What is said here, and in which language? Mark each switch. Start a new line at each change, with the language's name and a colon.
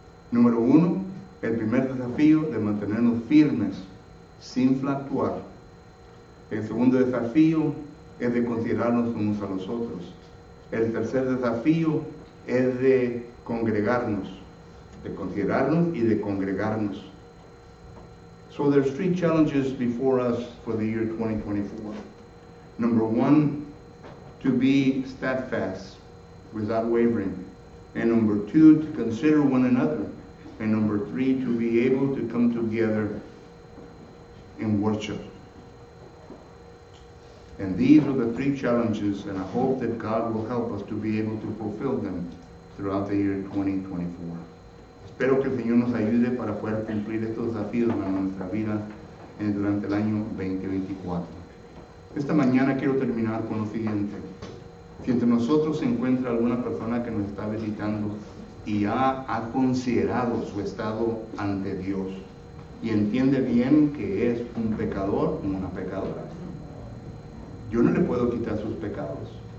Spanish: Número 1, el primer desafío de mantenernos firmes, sin fluctuar. El segundo desafío es de considerarnos unos a los otros. El tercer desafío es de congregarnos, de considerarnos y de congregarnos.
English: So there's 3 challenges before us for the year 2024. Number 1, to be steadfast, without wavering. And number 2, to consider one another. And number 3, to be able to come together in worship. And these are the 3 challenges, and I hope that God will help us to be able to fulfill them throughout the year 2024.
Spanish: Espero que el Señor nos ayude para poder cumplir estos desafíos en nuestra vida durante el año 2024. Esta mañana quiero terminar con lo siguiente. Si entre nosotros se encuentra alguna persona que nos está visitando y ha considerado su estado ante Dios y entiende bien que es un pecador o una pecadora, yo no le puedo quitar sus pecados.